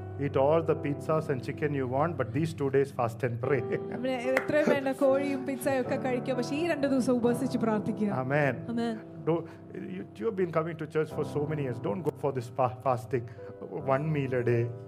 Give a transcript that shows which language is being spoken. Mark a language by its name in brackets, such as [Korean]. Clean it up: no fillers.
[English] Eat all the pizzas and chicken you want, but these 2 days fast and pray. [Malayalam] അമ്മേ എത്ര വേണ്ട കോഴിയും പിസ്സയും ഒക്കെ കഴിക്കുക, പക്ഷേ ഈ രണ്ട് ദിവസം ഉപവസിച്ച് പ്രാർത്ഥിക്കുക. [English] Amen. Amen. You've been coming to church for so many years, don't go for this fasting, one meal a day.